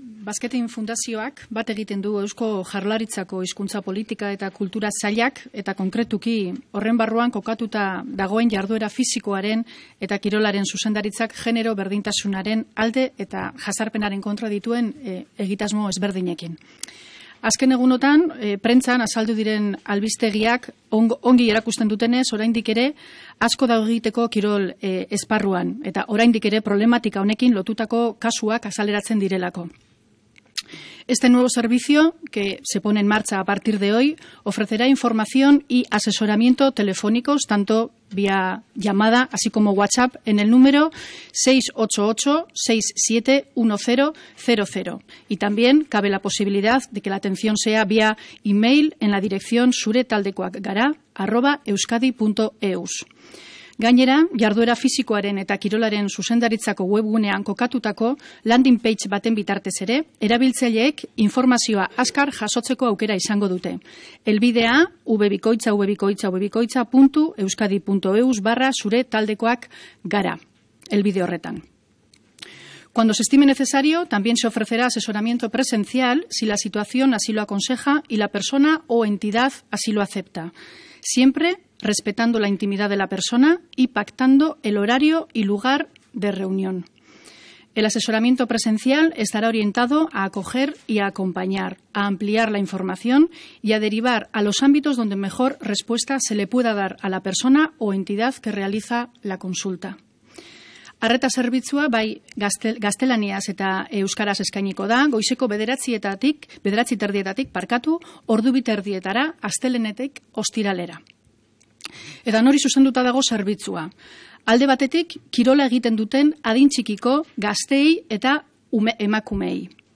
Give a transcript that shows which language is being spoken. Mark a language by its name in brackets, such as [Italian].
[Basque] Basketin Fundazioak bat egiten du Eusko Jaurlaritzako Hizkuntza Politika eta Kultura Sailak eta konkretuki horren barruan kokatuta dagoen jarduera fisikoaren eta kirolaren zuzendaritzak genero berdintasunaren alde eta jazarpenaren kontra dituen egitasmo ezberdinekin. Azken egunotan, prentzan azaldu diren albistegiak ongi erakusten dutenez, oraindik ere asko dago egiteko kirol esparruan eta oraindik ere problematika honekin lotutako kasuak azaleratzen direlako. [Spanish] Este nuevo servicio, que se pone en marcha a partir de hoy, ofrecerá información y asesoramiento telefónicos, tanto vía llamada, así como WhatsApp, en el número 688-671000. Y también cabe la posibilidad de que la atención sea vía email en la dirección suretaldekoakgara@euskadi.eus. [Basque] Gainera, jarduera fisikoaren eta kirolaren zuzendaritzako webgunean kokatutako landing page baten bitartez ere, erabiltzaileek informazioa azkar jasotzeko aukera izango dute. Elbidea, www.euskadi.eus/zure-taldekoak-gara, elbide horretan. [Spanish] Cuando se estime necesario, también se ofrecerá asesoramiento presencial si la situación así lo aconseja y la persona o entidad así lo acepta. Siempre respetando la intimidad de la persona y pactando el horario y lugar de reunión. El asesoramiento presencial estará orientado a acoger y a acompañar, a ampliar la información y a derivar a los ámbitos donde mejor respuesta se le pueda dar a la persona o entidad que realiza la consulta. [Basque] Arreta zerbitzua bai gaztelaniaz eta euskaraz eskainiko da, goizeko 9:30etatik ordu biterdietara astelenetik ostiralera. Eta nori zuzenduta dago zerbitzua. Alde batetik, kirola egiten duten adin txikiko gazteei eta emakumeei.